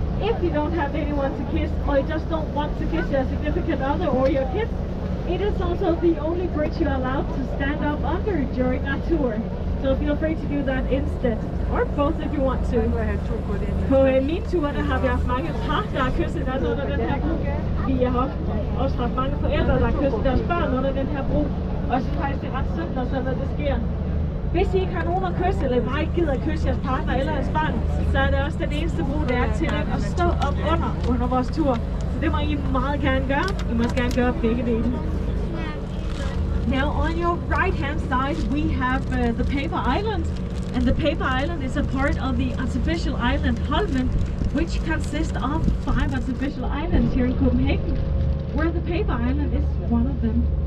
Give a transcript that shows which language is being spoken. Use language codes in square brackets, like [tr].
[en] If you don't have anyone to kiss, or you just don't want to kiss your significant other or your kids, it is also the only bridge you are allowed to stand up under during a tour. So feel free to do that instead, or both if you want to. [da] På min tur, der har vi haft mange par, der har kysset deres under den her bro. Vi har også haft mange forældre, der har kysset deres børn under den her bro. Og jeg synes faktisk, det er ret synd, når sådan noget sker. hvis I ikke har nogen at kysse, eller bare ikke gider at kysse jeres partner eller jeres barn, så er det også den eneste brug, der er til at stå op under vores tur. Så det må I meget gerne gøre. I må også gerne gøre begge dele. [en] Now on your right hand side, we have the paper island. And the paper island is a part of the artificial island Holmen, which consists of 5 artificial islands here in Copenhagen, where the paper island is one of them.